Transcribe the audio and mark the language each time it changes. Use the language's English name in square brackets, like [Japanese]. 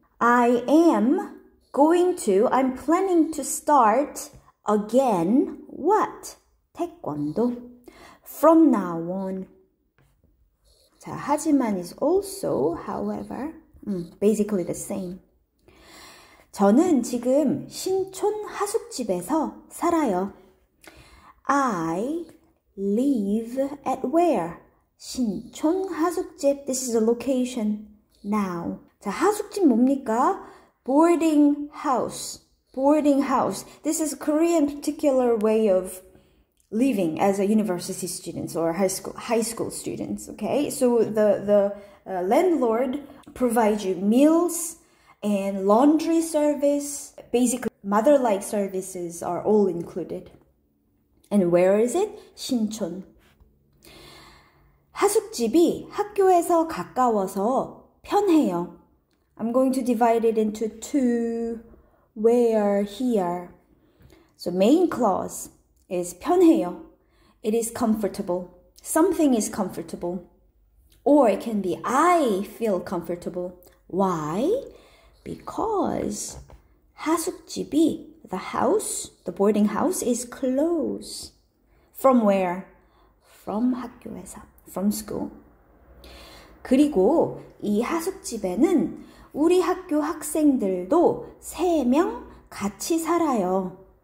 [English] I am going to, I'm planning to start again. What? 태권도. From now on. 자, 하지만 is also, however, basically the same. [Korean] 저는 지금 신촌 하숙집에서 살아요. [English] I live at where? 신촌 하숙집. This is a location now. [Korean] 자, 하숙집 뭡니까? [English] Boarding house. Boarding house. This is Korean particular way of living as a university student or high school students. Okay. So the landlord provides you meals and laundry service. Basically, mother-like services are all included. And where is it? 신촌. [Korean] 하숙집이 학교에서 가까워서 편해요. [English] I'm going to divide it into two, where, here. So main clause is 편해요. It is comfortable. Something is comfortable. Or it can be I feel comfortable. Why? Because 하숙집이, the house, the boarding house is close. From where? From 학교에서. From school. [Korean] 그리고 이 하숙집에는 우리 학교 학생들도 세 명 같이 살아요.